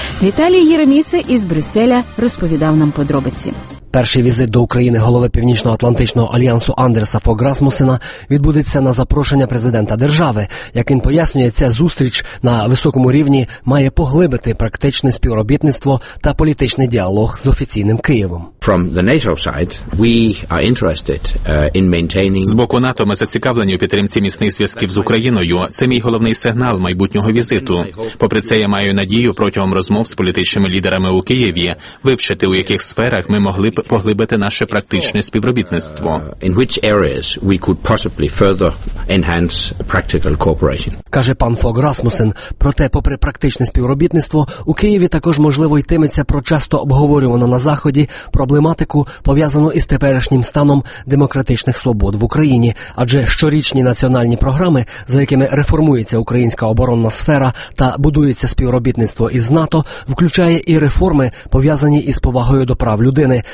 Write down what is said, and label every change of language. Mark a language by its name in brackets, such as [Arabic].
[Ukrainian] Віталій Єреміця із Брюсселя розповідав нам подробиці. Перший візит до України голови Північно-Атлантичного альянсу Андерса Фог Расмусена відбудеться на запрошення президента держави. Як він пояснює, ця зустріч на високому рівні має поглибити практичне співробітництво та політичний діалог з офіційним Києвом. [English] From the NATO side, we are interested in maintaining... [Ukrainian] З боку НАТО ми зацікавлені у підтримці міцних зв'язків з Україною. Це мій головний сигнал майбутнього візиту. Попри це, я маю надію протягом розмов з політичними лідерами у Києві вивчити, у яких сферах ми могли поглибити наше практичне співробітництво. [English] In which areas we could possibly further enhance practical cooperation. [Ukrainian] Каже пан Фог Расмусен. Проте, попри практичне співробітництво, у Києві також можливо йтиметься про часто обговорювану на Заході проблематику, пов'язану із теперішнім станом демократичних свобод в Україні. Адже щорічні національні програми, за якими реформується українська оборонна сфера та будується співробітництво із НАТО, включає і реформи, пов'язані із повагою до прав людини.